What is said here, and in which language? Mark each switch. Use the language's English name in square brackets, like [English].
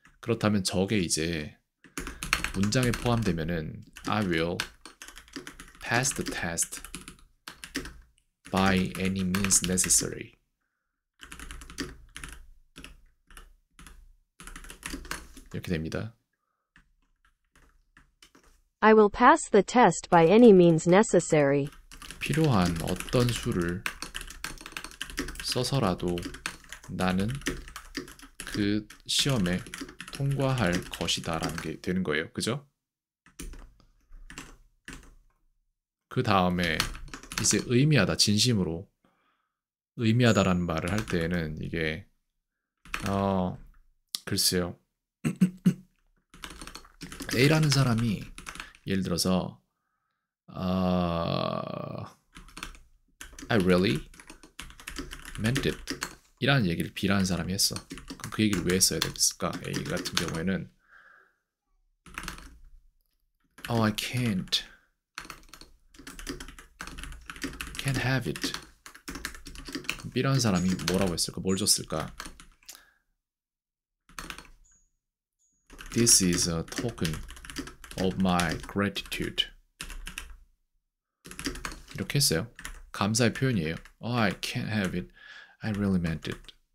[Korean] 그렇다면 저게 이제 문장에 포함되면은 [English] I will pass the test by any means necessary. [Korean] 이렇게 됩니다. [English] I will pass the test by any means necessary. [Korean] 필요한 어떤 수를 써서라도 나는 그 시험에 통과할 것이다 라는 게 되는 거예요. 그죠? 그 다음에 이제 의미하다, 진심으로 의미하다라는 말을 할 때에는 이게 글쎄요. A라는 사람이 예를 들어서 [English] I really meant it [Korean] 이라는 얘기를 B라는 사람이 했어. 그럼 그 얘기를 왜 했어야 됐을까? A 같은 경우에는 [English] Oh, I can't have it. [Korean] B라는 사람이 뭐라고 했을까? 뭘 줬을까? [English] This is a token of my gratitude. [Korean] 이렇게 했어요. 감사의 표현이에요. [English] Oh, I can't have it. I really meant it.